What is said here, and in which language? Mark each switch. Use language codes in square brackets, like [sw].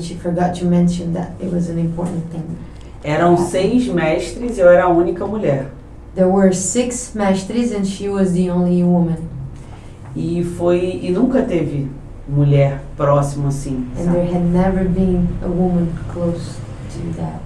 [en] She forgot to mention that it was an important thing. [pt] Eram seis mestres e eu era a única mulher. [en] There were six mestres and she was the only woman. [pt] E nunca teve mulher próximo assim. [en] And there had never been a woman close to that.